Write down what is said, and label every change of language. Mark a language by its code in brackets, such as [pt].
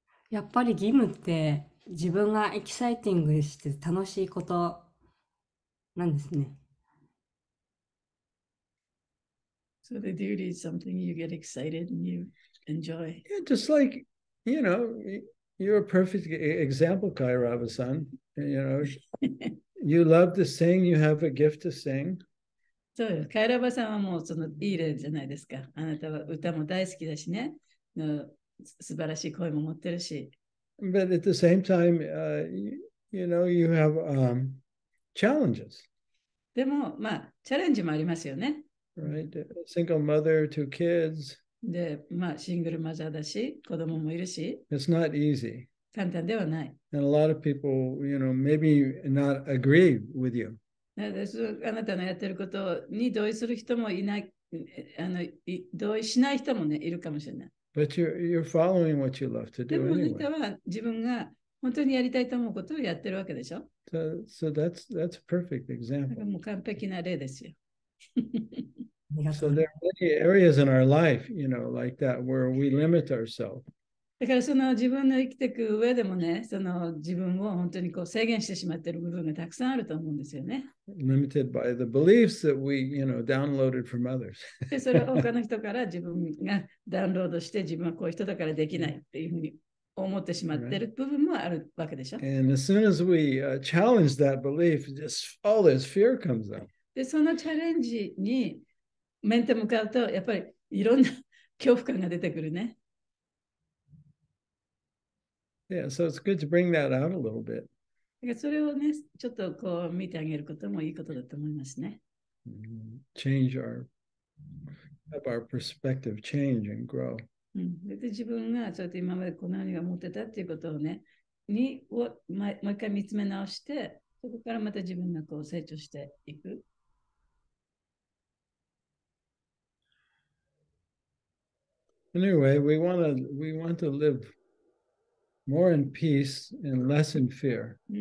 [ja] やっぱり義務って自分がエキサイティングして楽しいことなんですね。 [en] So the duty is something you get excited and you enjoy. Yeah, just like, you know, you're a perfect example, Kairava-san. You know, you love to sing, you have a gift to sing. [ja] そうです。Kairava-san はもうそのいい例じゃないですか。あなたは歌も大好きだしね。の素晴らしい声も持ってるし。 [en] But at the same time, you know, you have challenges. [ja] でも、まあ、チャレンジもありますよね。 [en] Right, single mother, two kids. [ja] で、まあ、シングルマザーだし、子供もいるし。 [en] It's not easy. [ja] 簡単ではない。 [en] And a lot of people, you know, maybe not agree with you. [ja] あなたのやってることに同意する人もいない、同意しない人もね、いるかもしれない。 [en] But you're following what you love to do anyway. [ja] でもあなたは自分が本当にやりたいと思うことをやってるわけでしょ。 [en] So that's a perfect example. [ja] もう完璧な例ですよ。 [en] So there are many areas in our life, you know, like that, where we limit ourselves. [ja] だからその自分の生きていく上でもね、その自分を本当にこう制限してしまってる部分がたくさんあると思うんですよね。 [en] Limited by the beliefs that we, you know, downloaded from others. [ja] で、それは他の人から自分がダウンロードして自分はこういう人だからできないっていうふうに思ってしまってる部分もあるわけでしょ。 [en] And as soon as we challenge that belief, just all this fear comes up. [ja] でそのチャレンジに面と向かうとやっぱりいろんな恐怖感が出てくるね。 [en] Yeah, so it's good to bring that out a little bit. [ja] それをね、ちょっとこう見てあげることもいいことだと思いますね。 [en] Change our, have our perspective change and grow. [ja] うん、で自分がそうやって今までこのように思ってたっていうことをね、にをもう一回見つめ直して、そこからまた自分がこう成長していく。 [en] Anyway, we want to live more in peace and less in fear.